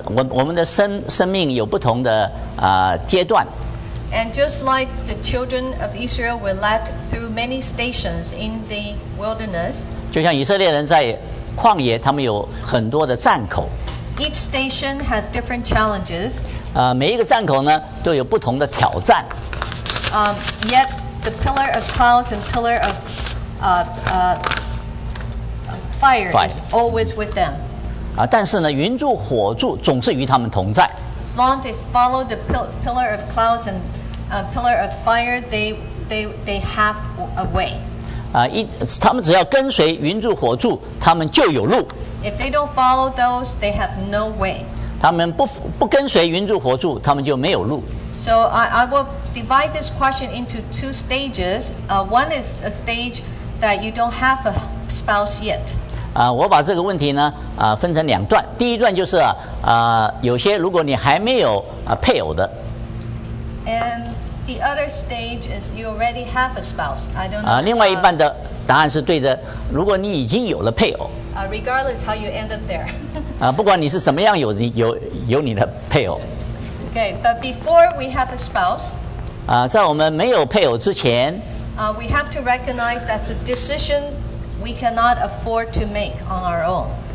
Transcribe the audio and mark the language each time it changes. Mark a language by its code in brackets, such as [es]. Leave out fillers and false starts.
[zh] 我们的生命有不同的 阶段。 [en] And just like the children of Israel were led through many stations in the wilderness. [zh] 就像以色列人在旷野，他们有很多的站口。 [en] Each station has different challenges. [zh] 每一个站口呢，都有不同的挑战。 [en] Yet the pillar of clouds and pillar of fire is always with them. [zh] 但是呢，云柱火柱总是与他们同在。 [en] As long as they follow the pillar of clouds and pillar of fire, they have a way. [zh] 他们只要跟随云柱火柱，他们就有路。 [en] If they don't follow those, they have no way. [zh] 他们不跟随云柱火柱，他们就没有路。 [en] So I will divide this question into two stages. One is a stage that you don't have a spouse yet. [zh] 我把这个问题呢分成两段。第一段就是有些如果你还没有配偶的。 [en] And the other stage is you already have a spouse. I don't know. [zh] 另外一半的答案是对的，如果你已经有了配偶。 [en] Regardless how you end up there. [zh] 不管你是怎么样有你的配偶。 [en] Okay, but before we have a spouse. [zh] 在我们没有配偶之前。 [en] We have to recognize that's a decision we cannot afford to make on our own.